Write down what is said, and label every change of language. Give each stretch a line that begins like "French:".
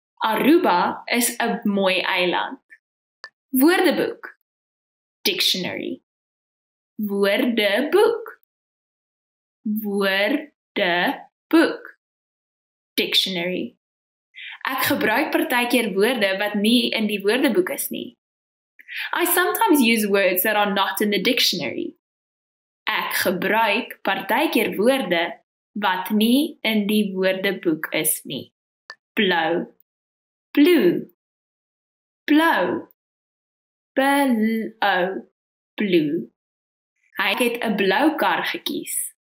Afrikaans: Aruba is 'n mooi eiland. Woordeboek. Dictionary. Woordeboek. Woordeboek. dictionary. Ek gebruik partykeer woorde wat nie in die woordeboek is nie.
English: I sometimes use words that are not in the dictionary.
Afrikaans: Ek gebruik partykeer woorde wat nie in die woordeboek is nie. Blow. Blue. Blow. Blow. Blue. Hy het 'n blou kar gekies.